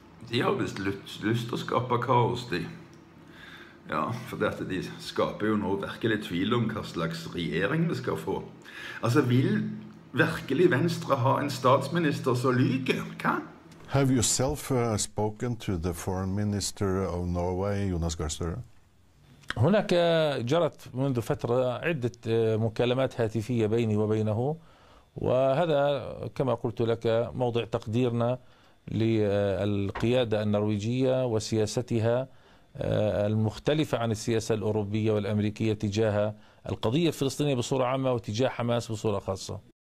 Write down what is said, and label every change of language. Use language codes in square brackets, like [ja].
[no] De har vist lyst til å skape kaos, de. Ja, for dette, de skaper jo nå virkelig tvil om hva slags regjering vi skal få. Altså, vil virkelig Venstre ha en statsminister som lyger? Hva? [en] Have you self spoken to the foreign minister of Norway, Jonas Gahr Støre? [ar] هناك جرت منذ فترة عدة مكالمات هاتفية بيني وبينه وهذا كما قلت لك موضع تقديرنا للقيادة النرويجية وسياستها المختلفة عن السياسة الأوروبية والأمريكية تجاه القضية الفلسطينية بصورة عامة وتجاه حماس بصورة خاصة.